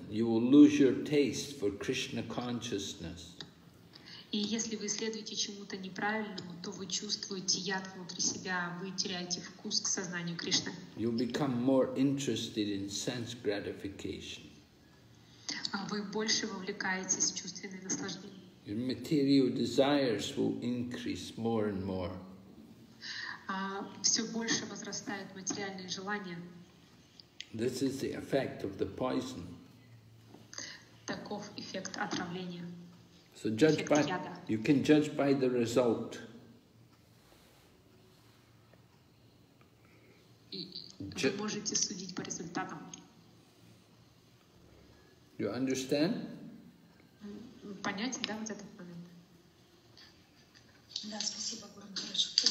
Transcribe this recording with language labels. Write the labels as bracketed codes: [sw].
[en] You will lose your taste for Krishna consciousness. [ru] И если вы следуете чему-то неправильному, то вы чувствуете яд внутри себя. Вы теряете вкус к сознанию Кришны. [en] You become more interested in sense gratification. [ru] Вы больше вовлекаетесь в чувственные наслаждения. [en] Your material desires will increase more and more. [ru] Все больше возрастают материальные желания. [en] This is the effect of the poison. [ru] Таков эффект отравления. [en] So judge by, you can judge by the result. [ru] Вы можете судить по результатам. [en] You understand? [ru] Понять, да, вот этот момент. Да, спасибо, Гуру Махарадж.